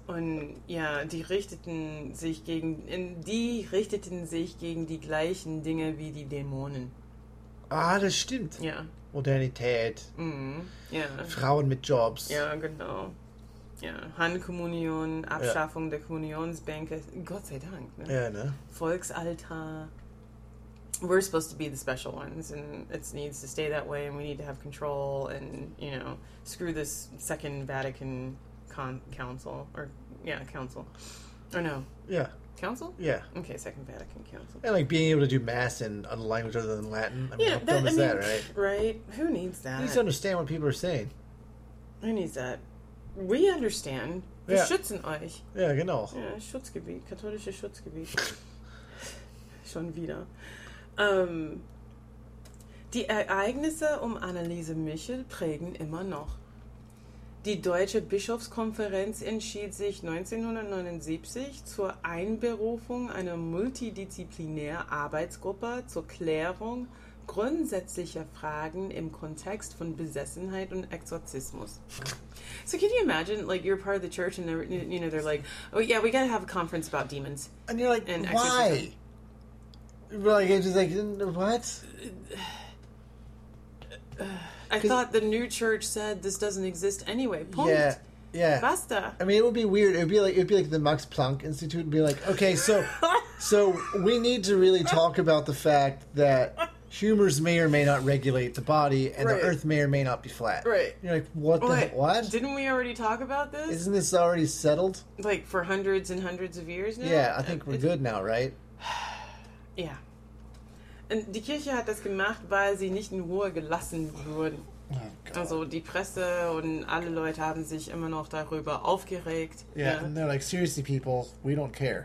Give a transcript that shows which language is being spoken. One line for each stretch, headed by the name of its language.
German: Und ja, die richteten sich gegen, die gleichen Dinge wie die Dämonen. Ah, das stimmt. Ja. Modernität. Mhm. Ja. Frauen mit Jobs. Ja, genau. Ja, Handkommunion, Abschaffung ja. der Kommunionsbänke, Gott sei Dank. Ne? Ja, ne? Volksaltar.
English: We're supposed to be the special ones, and it needs to stay that way, and we need to have control, and, you know, screw this Second Vatican Council, or, yeah, Council. Or no. Yeah. Council? Yeah. Okay, Second Vatican Council. And, like, being able to do Mass in a language other than Latin, I mean, yeah, how dumb is that, right? Right? Who needs that? You need to understand what people are saying. Who needs that? We understand.
German: Wir
English: yeah.
German: schützen euch. Ja,
English: yeah,
German: genau. Ja, Schutzgebiet, katholisches Schutzgebiet. Schon wieder. Die Ereignisse um Anneliese Michel prägen immer noch. Die Deutsche Bischofskonferenz entschied sich 1979 zur Einberufung einer multidisziplinären Arbeitsgruppe zur Klärung grundsätzlicher Fragen im Kontext von Besessenheit und Exorzismus.
English: So can you imagine, like, you're part of the church and they're, you know, they're like, oh yeah, we gotta have a conference about demons. And you're like, and why? Like, it's just like, what? I thought the new church said this doesn't exist anyway.
German: Punkt.
English: Yeah. Yeah.
German: Basta.
English: I mean, it would be weird. It would be like the Max Planck Institute and be like, okay, so we need to really talk about the fact that humors may or may not regulate the body and right. the earth may or may not be flat. Right. You're like, what the hell? What? Didn't we already talk about this? Isn't this already settled? Like, for hundreds and hundreds of years now? Yeah, I think we're good now, right?
German: Ja. Und die Kirche hat das gemacht, weil sie nicht in Ruhe gelassen wurden. Oh, also die Presse und alle Leute haben sich immer noch darüber aufgeregt.
English: Yeah,
German: ja,
English: and they're like, seriously people, we don't care.